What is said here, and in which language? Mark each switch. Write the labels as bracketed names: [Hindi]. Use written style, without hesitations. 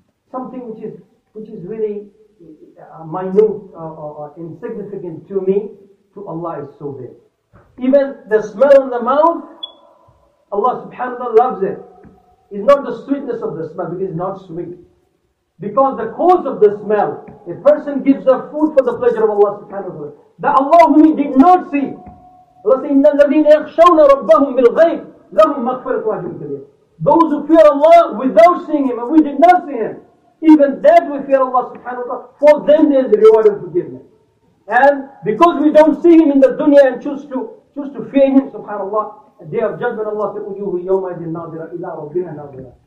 [English] Something which is really minute or insignificant to me, to Allah is so big. Even the smell in the mouth, Allah subhanahu wa ta'ala loves it. It's not the sweetness of the smell, because it's not sweet. Because the cause of the smell, a person gives the food for the pleasure of Allah subhanahu wa ta'ala. The Allah whom he did not see. [Arabic] Allah says, إِنَّ الَّذِينَ يَخْشَوْنَ رَبَّهُمْ بِالْغَيْبِ لَهُمْ مَغْفِرَةُ وَأَجْرٌ كَبِيرٌ. [English] Those who fear Allah without seeing Him, and we did not see Him, even that we fear Allah subhanahu wa ta'ala, for them there is a reward and forgiveness. And because we don't see Him in the dunya and choose to fear Him, subhanAllah, the day of judgment Allah said, Ujuhu yawma idin nadira ila rabbiha nadira.